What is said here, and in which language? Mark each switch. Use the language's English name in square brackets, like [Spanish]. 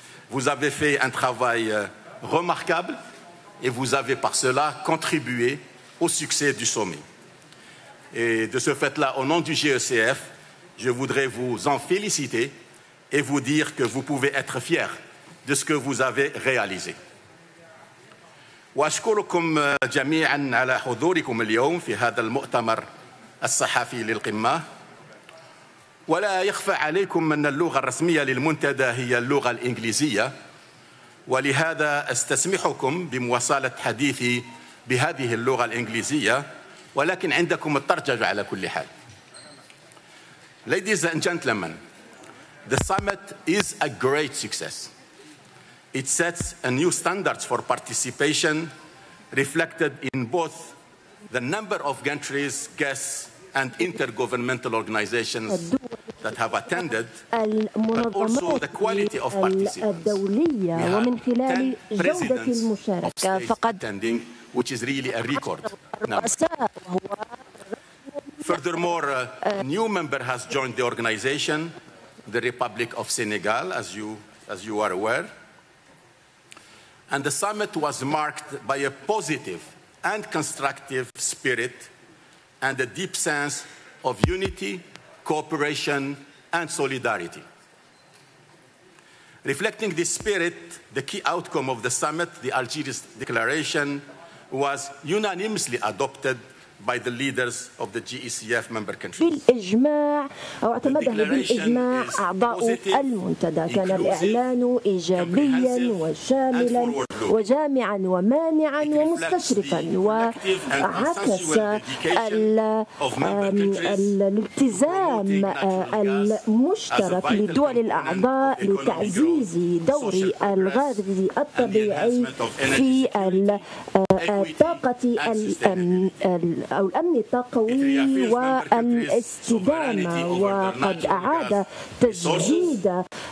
[French] Vous avez fait un travail remarquable et vous avez par cela contribué au succès du sommet. Et de ce fait-là, au nom du GECF, je voudrais vous en féliciter et vous dire que vous pouvez être fiers de ce que vous avez réalisé. [Arabic] واشكركم جميعا على حضوركم اليوم في هذا المؤتمر الصحفي للقمة. ولا يخفى عليكم أن اللغة الرسمية للمنتدى هي اللغة الإنجليزية، ولهذا استسمحكم بمواصلة حديثي بهذه اللغة الإنجليزية، ولكن عندكم الترجمة على كل حال. [English] Ladies and gentlemen, the summit is a great success. It sets a new standard for participation reflected in both the number of countries, guests, and intergovernmental organizations that have attended, but also the quality of participants. We have 10 presidents of states attending, which is really a record. Now, furthermore, a new member has joined the organization, the Republic of Senegal, as you are aware. And the summit was marked by a positive and constructive spirit and a deep sense of unity, cooperation, and solidarity. Reflecting this spirit, the key outcome of the summit, the Algiers Declaration, was unanimously adopted by the leaders of the GECF member countries. The declaration is positive, inclusive, comprehensive, and inclusive, and [Arabic] الأمن الطاقوي والاستدامة وقد أعاد تجديد